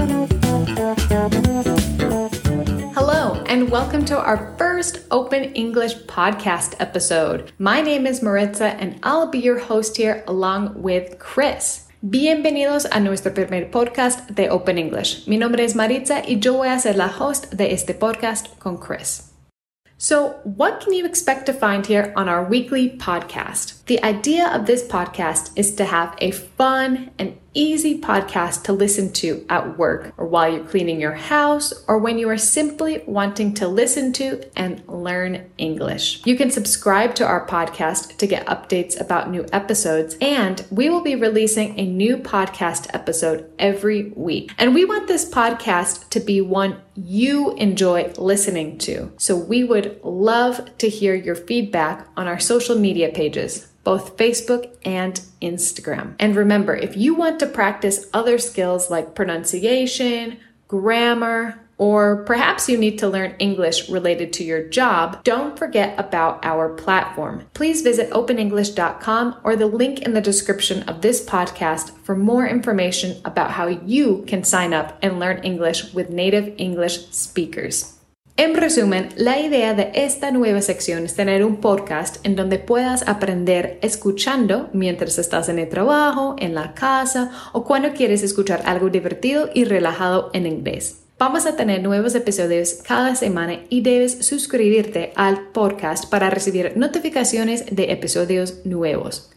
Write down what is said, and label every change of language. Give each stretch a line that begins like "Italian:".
English: Hello, and welcome to our first Open English podcast episode. My name is Maritza, and I'll be your host here along with Chris.
Spanish: Bienvenidos a nuestro primer podcast de Open English. Mi nombre es Maritza, y yo voy a ser la host de este podcast con Chris.
English: So what can you expect to find here on our weekly podcast? The idea of this podcast is to have a fun and easy podcast to listen to at work or while you're cleaning your house or when you are simply wanting to listen to and learn English. You can subscribe to our podcast to get updates about new episodes, and we will be releasing a new podcast episode every week. And we want this podcast to be one you enjoy listening to. So we would love to hear your feedback on our social media pages, both Facebook and Instagram. And remember, if you want to practice other skills like pronunciation, grammar, or perhaps you need to learn English related to your job, don't forget about our platform. Please visit openenglish.com or the link in the description of this podcast for more information about how you can sign up and learn English with native English speakers.
Spanish: En resumen, la idea de esta nueva sección es tener un podcast en donde puedas aprender escuchando mientras estás en el trabajo, en la casa o cuando quieres escuchar algo divertido y relajado en inglés. Vamos a tener nuevos episodios cada semana y debes suscribirte al podcast para recibir notificaciones de episodios nuevos.